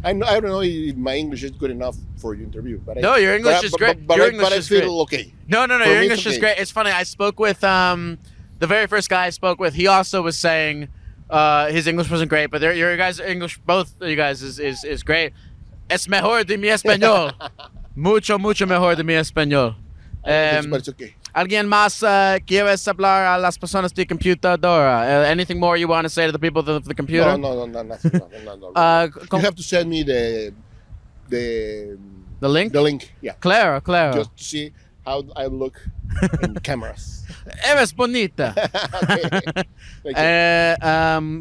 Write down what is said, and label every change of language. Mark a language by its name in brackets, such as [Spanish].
[English] I don't know if my English is good enough for your interview. Your English is great. But I feel okay. No, your English is great. It's funny, I spoke with the very first guy I spoke with, he also was saying his English wasn't great, but your guys' English, both of you guys, is great. [Spanish] Es mejor de mi español. Mucho, mucho mejor de mi español. ¿Alguien más quieres hablar a las personas de computadora? [English] Anything more you want to say to the people of the computer? No, nothing. You have to send me the link? The link, yeah. [Spanish] Claro. [English] Just to see how I look in cameras. [Spanish] Eres bonita. [English] Okay. Thank you.